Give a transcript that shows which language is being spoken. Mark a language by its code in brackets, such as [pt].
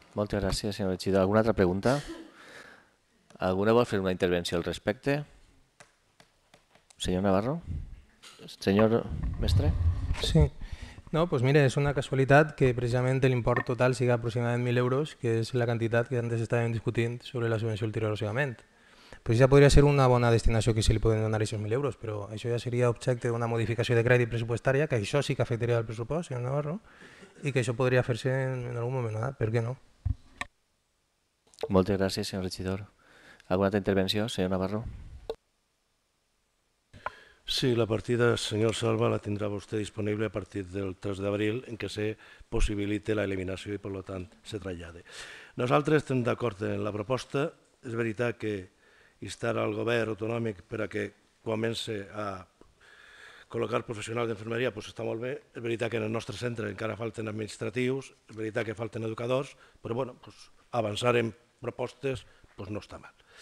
[ca] Moltes gràcies, senyor regidor. Alguna altra pregunta? Alguna vol fer una intervenció al respecte? Senyor Navarro? Senyor mestre? Sí. No, pues mire, és una casualitat que precisament l'import total siga aproximadament 1.000 euros, que és la quantitat que antes estàvem discutint sobre la subvenció del tiro erosivament. [es] Pues ya podría ser una buena destinación que se le pueden donar esos 1.000 euros, pero eso ya sería objeto de una modificación de crédito presupuestaria, que eso sí que afectaría al presupuesto, señor Navarro, y que eso podría hacerse en algún momento, ¿eh? ¿Por qué no? Muchas gracias, señor regidor. ¿Alguna otra intervención, señor Navarro? Sí, la partida, señor Salva, la tendrá usted disponible a partir del 3 de abril en que se posibilite la eliminación y, por lo tanto, se trasllade. Nosotros estamos de acuerdo en la propuesta. Es verdad que [ca] instar al govern autonòmic perquè comenci a col·locar professionals d'infermeria, doncs està molt bé. És veritat que en el nostre centre encara falten administratius, és veritat que falten educadors, però bueno, doncs avançar en propostes doncs no està mal.